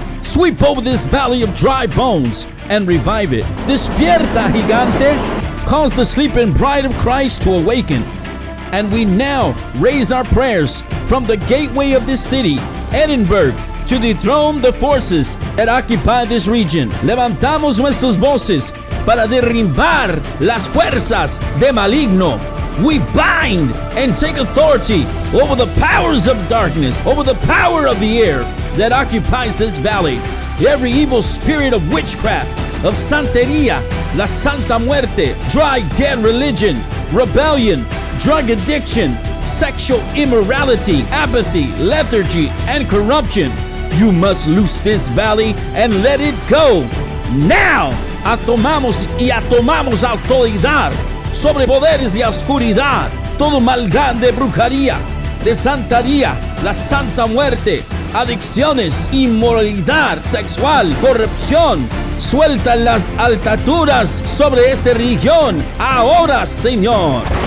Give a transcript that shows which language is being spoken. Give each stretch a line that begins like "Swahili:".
English: Sweep over this valley of dry bones and revive it.
Spanish: Despierta, gigante.
English: Cause the sleeping bride of Christ to awaken. And we now raise our prayers from the gateway of this city, Edinburgh, to dethrone the forces that occupy this region.
Spanish: Levantamos nuestras voces para derribar las fuerzas de maligno.
English: We bind and take authority over the powers of darkness, over the power of the air that occupies this valley. Every evil spirit of witchcraft, of santería, la santa muerte, dry dead religion, rebellion, drug addiction, sexual immorality, apathy, lethargy, and corruption. You must loose this valley and let it go. Now!
Spanish: Atomamos y atomamos autoridad sobre poderes de oscuridad. Todo maldad de brujería, de santería, la santa muerte, adicciones, inmoralidad sexual, corrupción. Suelta las ataduras sobre esta religión ahora, Señor.